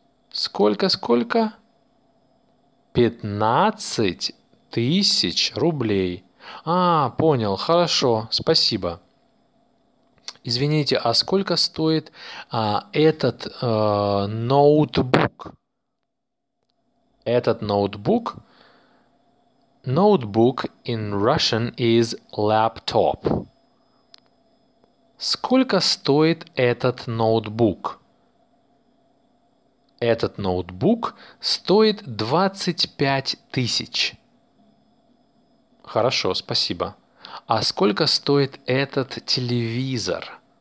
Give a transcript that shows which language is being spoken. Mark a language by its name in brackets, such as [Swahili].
[Russian] Сколько? 15 тысяч рублей. А, понял, хорошо, спасибо. Извините, а сколько стоит этот ноутбук? Этот ноутбук? [English] Ноутбук in Russian is laptop. [Russian] Сколько стоит этот ноутбук? Этот ноутбук стоит 25 тысяч. Хорошо, спасибо. А сколько стоит этот телевизор?